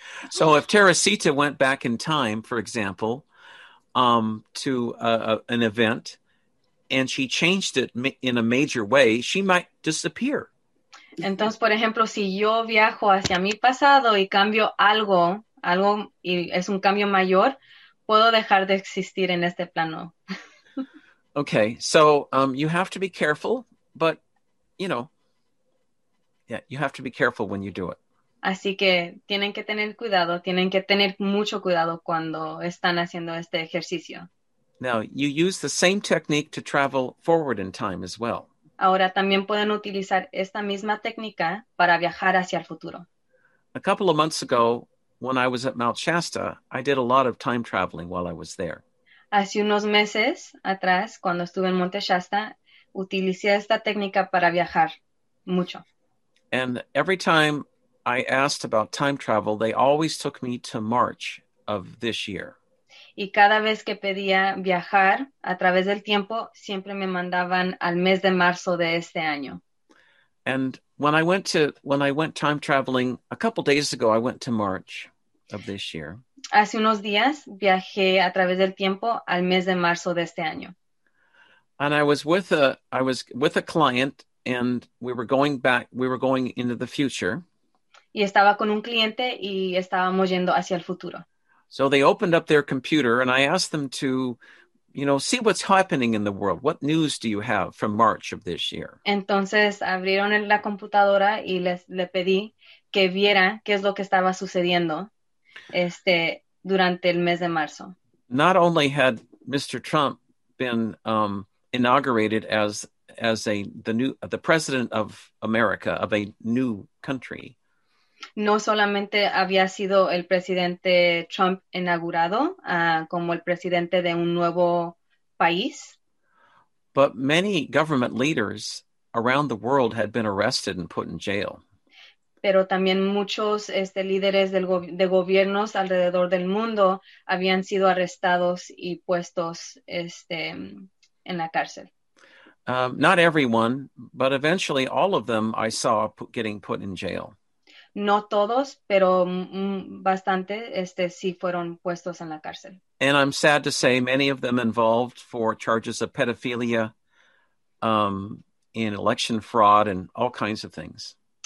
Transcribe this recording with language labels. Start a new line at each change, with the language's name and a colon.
English: So if Teresita went back in time, for example, to an event, and she changed it in a major way, she might disappear.
Spanish: Entonces, por ejemplo, si yo viajo hacia mi pasado y cambio algo y es un cambio mayor, puedo dejar de existir en este plano.
English: Okay, so you have to be careful, but you have to be careful when you do it.
Spanish: Así que tienen que tener cuidado, tienen que tener mucho cuidado cuando están haciendo este ejercicio.
English: Now, you use the same technique to travel forward in time as well.
Spanish: Ahora también pueden utilizar esta misma técnica para viajar hacia el futuro.
English: A couple of months ago, when I was at Mount Shasta, I did a lot of time traveling while I was there.
Spanish: Hace unos meses atrás, cuando estuve en Monte Shasta, utilicé esta técnica para viajar mucho.
English: And every time I asked about time travel, they always took me to March of this year.
Spanish: Y cada vez que pedía viajar a través del tiempo, siempre me mandaban al mes de marzo de este año.
English: And when I went time traveling a couple days ago, I went to March of this year.
Spanish: Hace unos días viajé a través del tiempo al mes de marzo de este año.
English: And I was with a client and we were going into the future.
Spanish: Y estaba con un cliente y estábamos yendo hacia el futuro.
English: So they opened up their computer and I asked them to, see what's happening in the world. What news do you have from March of this year?
Spanish: Entonces abrieron la computadora y le pedí que viera qué es lo que estaba sucediendo durante el mes de marzo.
English: not only had Mr. Trump been inaugurated as a the president of America, of a new country.
Spanish: No solamente había sido el presidente Trump inaugurado como el presidente de un nuevo país.
English: But many government leaders around the world had been arrested and put in jail.
Spanish: Pero también muchos líderes de gobiernos alrededor del mundo habían sido arrestados y puestos en la cárcel.
English: Not everyone, but eventually all of them I saw getting put in jail.
Spanish: No todos, pero bastante sí fueron puestos en la cárcel.
English: And I'm sad to say many of them involved for charges of pedophilia, in election fraud and all kinds of things.